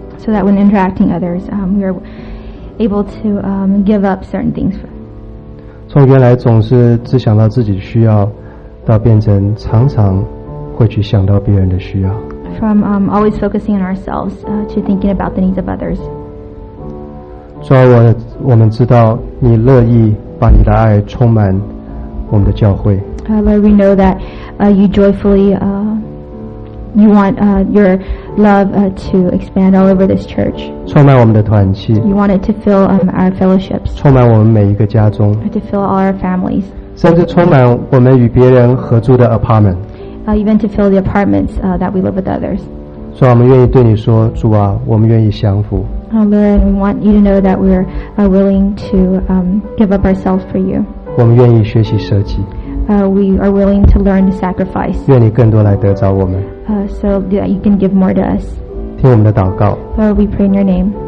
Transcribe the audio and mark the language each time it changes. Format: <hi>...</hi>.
<en>So that when interacting others, we are able to give up certain things.</en> <zh>从原来总是只想到自己的需要，到变成常常会去想到别人的需要。</zh> <en>From always focusing on ourselves, to thinking about the needs of others.</en> <zh>主啊，我们知道你乐意把你的爱充满我们的教会。</zh> <en>Lord, we know that you joyfully you want your love to expand all over this church.</en> <zh>充满我们的团契。</zh> <en>You want it to fill our fellowships.</en> <zh>充满我们每一个家中。</zh> <en>To fill all our families.</en> <zh>甚至充满我们与别人合租的 apartment.</zh> <en>Even to fill the apartments that we live with others.</en> <zh>主啊，我们愿意对你说，主啊，我们愿意降服。</zh> <en>Lord, we want you to know that we're willing to give up ourselves for you.</en> <zh>我们愿意学习舍己。</zh> <en>We are willing to learn to sacrifice.</en> <zh>愿你更多来得着我们。</zh> <en>So that you can give more to us.</en> <zh>听我们的祷告。</zh> <en>Lord, we pray in your name.</en>